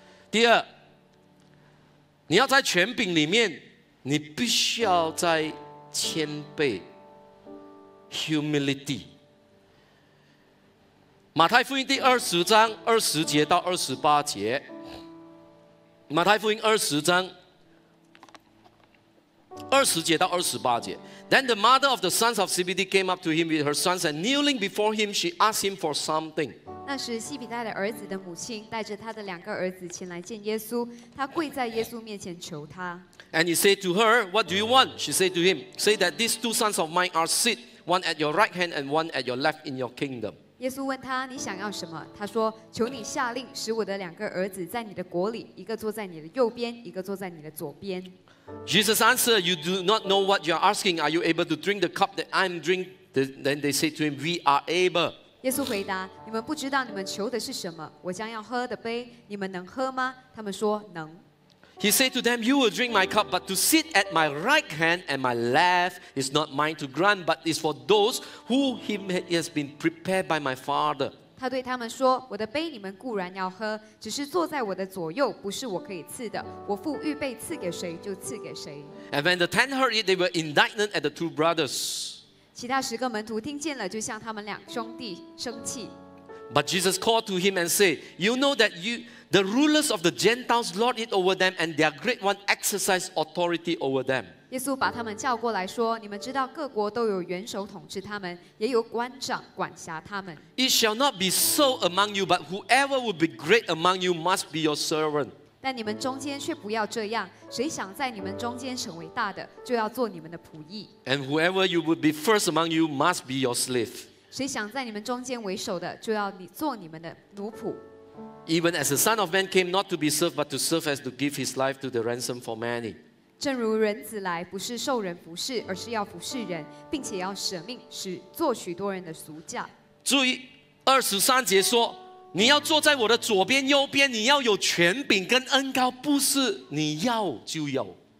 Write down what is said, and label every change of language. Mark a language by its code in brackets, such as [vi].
[zh] 第二，你要在权柄里面，你必须要在谦卑 humility。马太福音第二十章二十节到二十八节，马太福音二十章二十节到二十八节。 [en] Then the mother of the sons of Zebedee came up to him with her sons, and kneeling before him, she asked him for something. [zh] 那时西比带的儿子的母亲带着他的两个儿子前来见耶稣，他跪在耶稣面前求他。 [en] And he said to her, what do you want? She said to him, say that these two sons of mine are sit, one at your right hand and one at your left in your kingdom. [zh] 耶稣问他，你想要什么？他说，求你下令使我的两个儿子在你的国里，一个坐在你的右边，一个坐在你的左边。 [en] Jesus answered, you do not know what you are asking. Are you able to drink the cup that I am drinking? Then they said to him, we are able. [zh] 耶稣回答，你们不知道你们求的是什么，我将要喝的杯，你们能喝吗？他们说，能。 [en] He said to them, you will drink my cup, but to sit at my right hand and my left is not mine to grant, but is for those who he has been prepared by my Father. [zh] 他对他们说，我的杯你们固然要喝，只是坐在我的左右不是我可以赐的，我父预备赐给谁就赐给谁。 [en] And when the ten heard it, they were indignant at the two brothers. [zh] 其他十个门徒听见了，就向他们两兄弟生气。 [en] But Jesus called to him and said, you know that you, the rulers of the Gentiles lord it over them, and their great one exercise authority over them. [zh] 耶稣把他们叫过来说，你们知道各国都有元首统治他们，也有官长管辖他们。 [en] It shall not be so among you, but whoever would be great among you must be your servant. [zh] 但你们中间却不要这样，谁想在你们中间成为大的，就要做你们的仆役。 [en] And whoever you would be first among you must be your slave. [zh] 谁想在你们中间为首的，就要做你们的奴仆。 [en] Even as the Son of Man came not to be served, but to serve as to give his life to the ransom for many. [zh] 正如人子来，不是受人服侍，而是要服侍人，并且要舍命，使做许多人的赎价。注意，二十三节说，你要坐在我的左边、右边，你要有权柄跟恩膏，不是你要就有。